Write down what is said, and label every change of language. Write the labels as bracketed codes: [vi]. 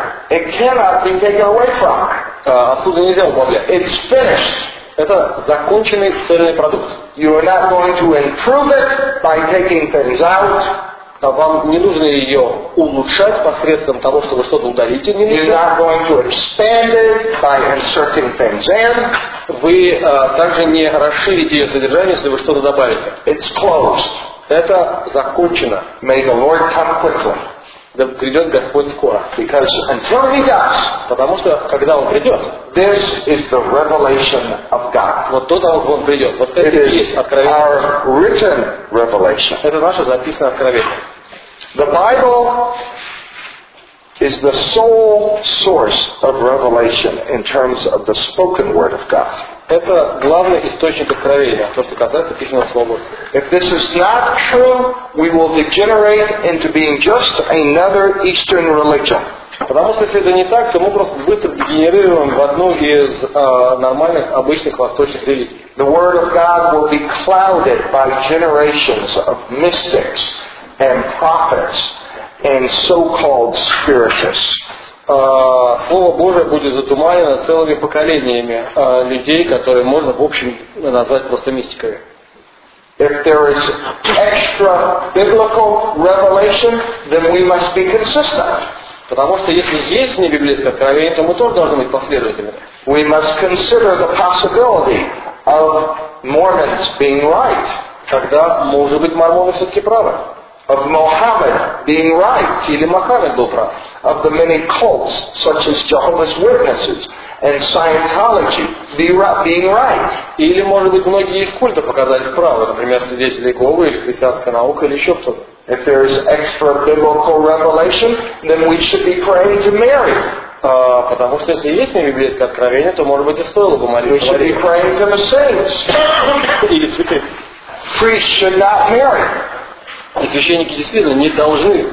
[en] It cannot be taken away from. [ru] Отсюда нельзя убавлять. [en] It's finished. [ru] Это законченный цельный продукт. [en] You are not going to improve it by taking things out. [ru] Вам не нужно ее улучшать посредством того, чтобы что-то удалить. [en] You're not going to expand it by inserting things in. [ru] Вы также не расширите ее содержание, если вы что-то добавите. [en] It's closed. [ru] Это закончено. [en] May the Lord come quickly. [ru] Да придет Господь скоро. [en] Because until he does, [ru] потому что когда он придет, [en] this is the revelation of God. [ru] Вот то, того, как он придет. Вот это и есть откровение. [en] Our written revelation. [ru] Это наше записанное откровение. [en] The Bible is the sole source of revelation in terms of the spoken word of God. [ru] Это главный источник откровения, то, что касается письменного слова. [en] If this is not true, we will degenerate into being just another Eastern religion. [ru] Потому что если это не так, то мы просто быстро дегенерируем в одну из нормальных, обычных восточных религий. [en] The word of God will be clouded by generations of mystics and prophets and so-called spiritists. [ru] Слово Божие будет затуманено целыми поколениями людей, которые можно в общем назвать просто мистиками. [en] If there is extra biblical revelation, then we must be consistent. [ru] Потому что если есть вне библейское откровение, то мы тоже должны быть последовательными. [en] We must consider the possibility of Mormons being right. [ru] Тогда, может быть, мормоны все-таки правы. [en] Of Mohammed being right. [ru] Или Мохаммед был прав. [en] Of the many cults, such as Jehovah's Witnesses and Scientology, being right. [ru] Или, может быть, многие из культов оказались правы, например, свидетели Иеговы или христианская наука или еще кто-то. [en] If there is extra biblical revelation, then we should be praying to Mary. [ru] Потому что если есть небиблейское откровение, то, может быть, и стоило бы молиться. [en] We should be praying to the saints. [ru] Или святые. [en] Priests should not marry. [ru] И священники действительно не должны,